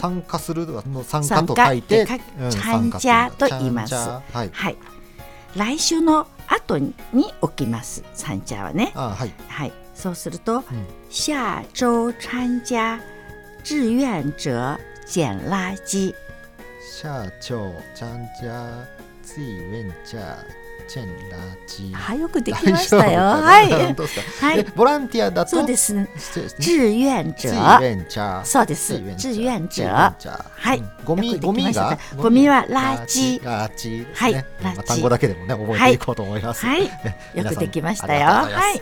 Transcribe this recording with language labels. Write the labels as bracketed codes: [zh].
[ja] 参加するの参加と書いて参加と言います。はい、はい、来週の後に置きます。参加はね、あ、はいはい、そうすると、 [zh] 下周参加志愿者捡垃圾。下周参加志愿者捡垃圾。 [ja] はい、よくできましたよ。はい、本当ですか。ボランティアだと、そうです、志愿者。 [zh] 志愿者。 [ja] そうです。志愿者。はい。ゴミが、ゴミは垃圾。 [zh] 垃圾。 [ja] はい。単語だけでもね、覚えていこうと思います。はい。よくできましたよ。はい。